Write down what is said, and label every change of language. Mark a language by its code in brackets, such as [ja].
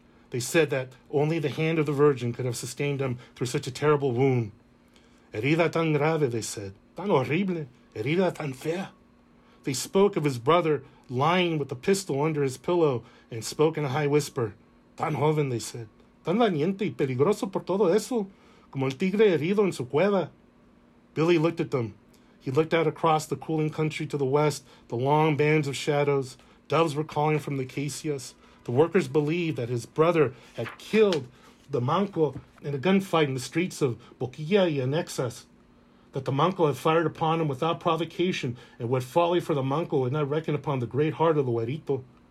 [en] They said that only the hand of the Virgin could have sustained him through such a terrible wound. [es] Herida tan grave, [en] they said. [es] Tan horrible. Herida tan fea. [en] They spoke of his brother lying with the pistol under his pillow and spoke in a high whisper. [es] Tan joven, [en] they said. [es] Tan valiente y peligroso por todo eso, como el tigre herido en su cueva. [en] Billy looked at them. He looked out across the cooling country to the west, the long bands of shadows. Doves were calling from the acacias. The workers believed that his brother had killed the manco in a gunfight in the streets of Boquilla y Anexas, that the manco had fired upon him without provocation, and what folly for the manco would not reckon upon the great heart of the huerito.